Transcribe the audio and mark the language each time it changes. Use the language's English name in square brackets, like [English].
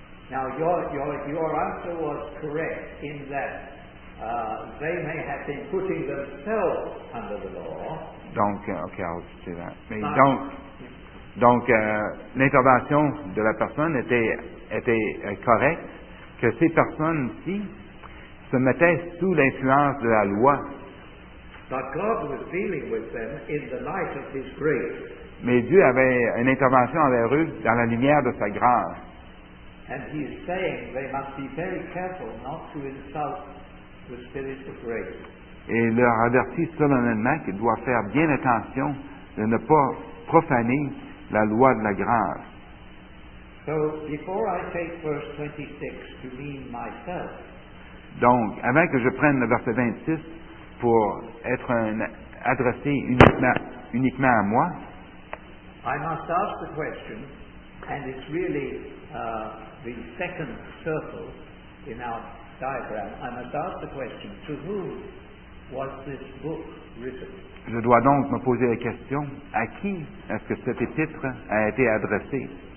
[English] Now, your answer was correct in that they may have been putting themselves under the law. [French] Donc, [English] OK, I'll just say that. [French] Mais donc... Donc, l'intervention de la personne était correcte, que ces personnes-ci se mettaient sous l'influence de la loi. [English] But God was dealing with them in the light of His grace. [French] Mais Dieu avait une intervention envers eux dans la lumière de sa grâce. [English] And he is saying they must be very careful not to insult the Spirit of grace. [French] Et il leur avertit solennellement qu'ils doivent faire bien attention de ne pas profaner la loi de la grâce. [English] So, before I take verse 26 to mean myself, [French] donc, avant que je prenne le verset 26 pour être adressé uniquement à moi, [English] I must ask the question, and it's really the second circle in our diagram, I must ask the question, to whom was this book written? [French] Je dois donc me poser la question, à qui est-ce que cet épître a été adressé?